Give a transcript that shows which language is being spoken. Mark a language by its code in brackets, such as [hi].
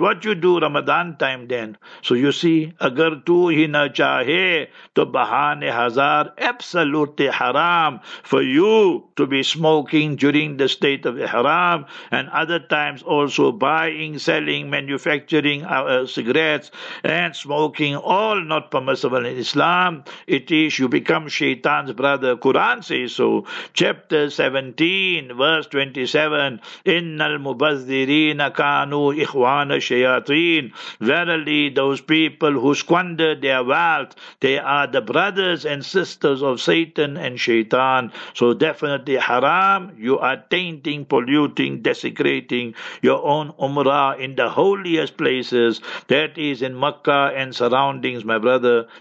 [en] What you do Ramadan time then? So you see, [ur] agar tu hi na chahe to bahane hazar, [en] absolute haram for you to be smoking during the state of ihram, and other times also buying, selling, manufacturing cigarettes and smoking, all not permissible in Islam. It is, you become shaitan's brother. Quran says so. Chapter 17, verse 27, [ar] إِنَّ الْمُبَذِّرِينَ كَانُوا إِخْوَانَ الشَّيَاطِينَ. [en] Verily, those people who squander their wealth, they are the brothers and sisters of Satan and shaitan. So definitely haram, you are tainting, polluting, desecrating your own umrah in the holiest places, that is in Makkah and surroundings, my brother.